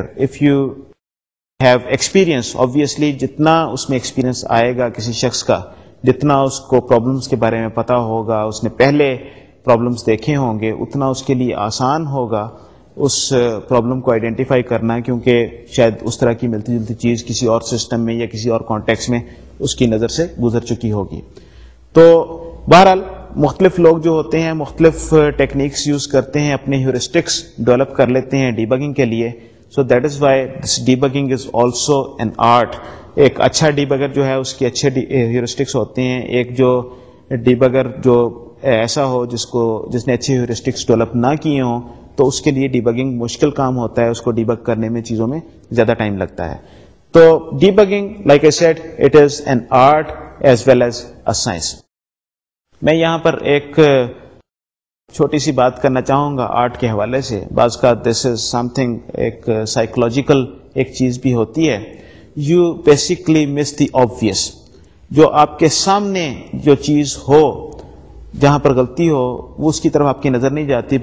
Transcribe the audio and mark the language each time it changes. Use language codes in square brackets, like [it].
[en] if you have experience, [ur] obviously جتنا اس میں experience آئے گا کسی شخص کا, جتنا اس کو پرابلمس کے بارے میں پتا ہوگا, اس نے پہلے پرابلمس دیکھے ہوں گے, اتنا اس کے لیے آسان ہوگا اس پرابلم کو آئیڈینٹیفائی کرنا, کیونکہ شاید اس طرح کی ملتی جلتی چیز کسی اور سسٹم میں یا کسی اور کانٹیکس میں اس کی نظر سے گزر چکی ہوگی. تو بہرحال مختلف لوگ جو ہوتے ہیں مختلف ٹیکنیکس یوز کرتے ہیں, اپنے ہیورسٹکس ڈیولپ کر لیتے ہیں ڈی بگنگ کے لیے. [en] So that is why this debugging is also an art. [ur] ایک اچھا ڈی بگر جو ہے اس کی اچھے ہیورسٹکس ہوتے ہیں. ایک جو ڈی بگر جو ایسا ہو جس نے اچھے ہیورسٹکس ڈیولپ نہ کیے ہوں, تو اس کے لیے ڈی بگنگ مشکل کام ہوتا ہے, اس کو ڈی بگ کرنے میں چیزوں میں زیادہ ٹائم لگتا ہے. [en] تو debugging like I said it is an art as well as a science. [ur] میں یہاں پر ایک چھوٹی سی بات کرنا چاہوں گا آرٹ کے حوالے سے. بعض کا [en] this is something [ur] ایک سائیکولوجیکل ایک چیز بھی ہوتی ہے. [en] You basically miss the obvious. [ur] جو آپ کے سامنے جو چیز ہو, جہاں پر غلطی ہو, وہ اس کی طرف آپ کی نظر نہیں جاتی.